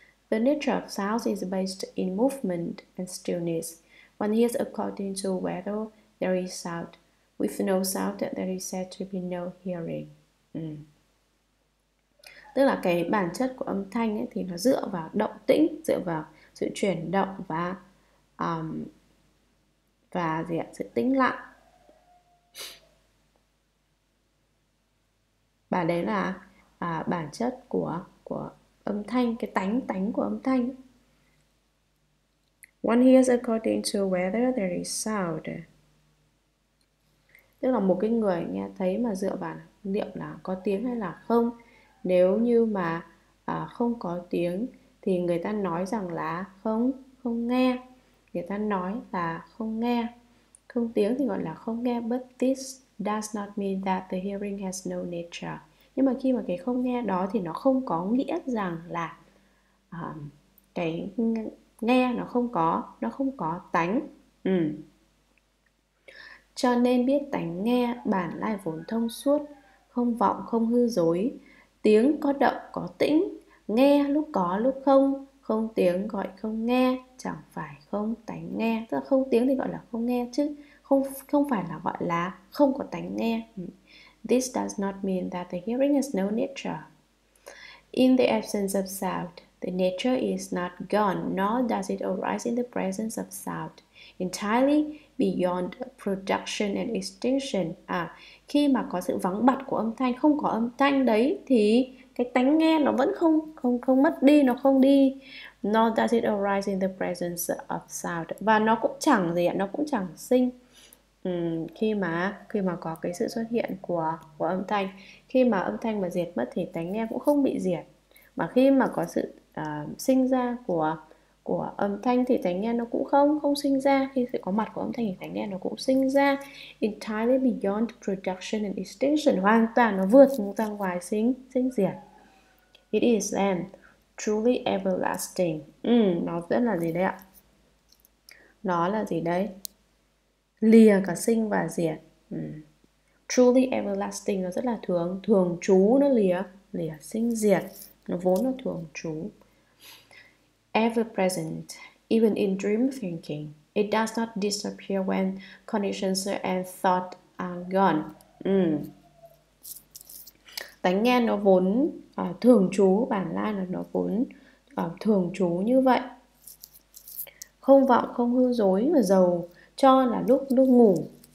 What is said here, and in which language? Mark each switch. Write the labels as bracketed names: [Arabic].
[English] The nature of sounds is based in movement and stillness. One hears according to whether there is sound. With no sound, there is said to be no hearing. [Vietnamese] Tức là cái bản chất của âm thanh ấy, thì nó dựa vào động tĩnh, dựa vào sự chuyển động và gì ạ, sự tĩnh lặng. Và đấy là bản chất của âm thanh, cái tánh tánh của âm thanh. [English] One hears according to whether there is sound. [Vietnamese] Tức là một cái người nghe thấy mà dựa vào liệu là có tiếng hay là không. Nếu như mà không có tiếng thì người ta nói rằng là không, không nghe. Người ta nói là không nghe. Không tiếng thì gọi là không nghe. [English] But this does not mean that the hearing has no nature. [Vietnamese] Nhưng mà khi mà cái không nghe đó thì nó không có nghĩa rằng là cái nghe nó không có tánh. Cho nên biết tánh nghe bản lai vốn thông suốt, không vọng không hư dối. Tiếng có động có tĩnh, nghe lúc có lúc không. Không tiếng gọi không nghe, chẳng phải không tánh nghe. Tức là không tiếng thì gọi là không nghe chứ không không phải là gọi là không có tánh nghe. [English] This does not mean that the hearing has no nature. In the absence of sound, the nature is not gone, nor does it arise in the presence of sound, entirely beyond production and extinction. [Vietnamese] À, khi mà có sự vắng bặt của âm thanh, không có âm thanh đấy thì cái tánh nghe nó vẫn không không không mất đi, nó không đi. [English] Nor does it arise in the presence of sound. [Vietnamese] Và nó cũng chẳng gì ạ, nó cũng chẳng sinh. Khi mà có cái sự xuất hiện của âm thanh, khi mà âm thanh mà diệt mất thì tánh nghe cũng không bị diệt. Mà khi mà có sự sinh ra của âm thanh thì tánh nghe nó cũng không không sinh ra. Khi sự có mặt của âm thanh thì tánh nghe nó cũng sinh ra. [English] Entirely beyond production and extinction, [Vietnamese] hoàn toàn nó vượt ra ngoài sinh diệt. [English] It is then truly everlasting. [Vietnamese] Nó rất là gì đấy ạ? Nó là gì đấy? Lìa cả sinh và diệt. [English] Truly everlasting, [Vietnamese] nó rất là thường thường trú, nó lìa lìa sinh diệt, nó vốn nó thường trú. [English] Ever present, even in dream thinking, it does not disappear when conditions and thought are gone. [Vietnamese] Tánh nghe nó vốn thường trú, bản lai là nó vốn thường trú như vậy. Không vọng, không hư dối mà giàu cho là lúc lúc ngủ.